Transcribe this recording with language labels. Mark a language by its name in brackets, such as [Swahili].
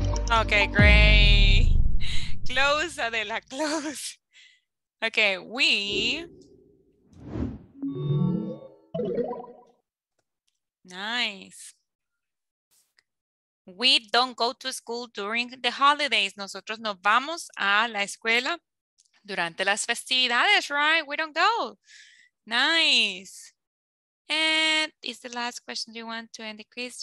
[English] Okay, great. Close, Adela, close. Okay, we. Nice. We don't go to school during the holidays. [Spanish] Nosotros no vamos a la escuela durante las festividades, right? [English] We don't go. Nice. And is the last question you want to end the quiz?